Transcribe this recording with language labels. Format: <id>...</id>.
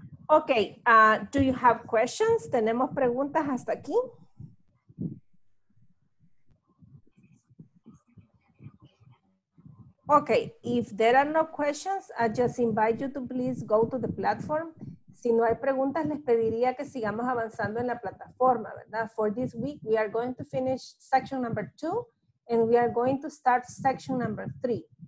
<en>Okay, do you have questions?</en> <es>¿Tenemos preguntas hasta aquí?</es> <en>Okay, if there are no questions, I just invite you to please go to the platform.</en> <es>Si no hay preguntas, les pediría que sigamos avanzando en la plataforma, ¿verdad?</es> <en>For this week, we are going to finish section number 2 and we are going to start section number 3.</en>